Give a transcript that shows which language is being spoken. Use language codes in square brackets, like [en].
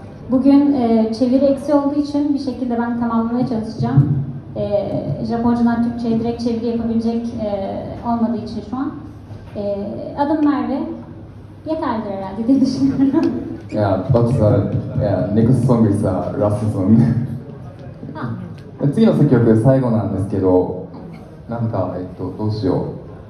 [tr] Bugün çeviri eksiği olduğu için bir şekilde ben tamamlamaya çalışacağım. Japoncadan Türkçe'ye direkt çeviri yapabilecek olmadığı için şu an. Adım Merve. Yeterdir herhalde diye düşünüyorum. [en] Yeah, but the next song is the last song. [ja] 次の作曲最後なんですけど、なんかどうしよう。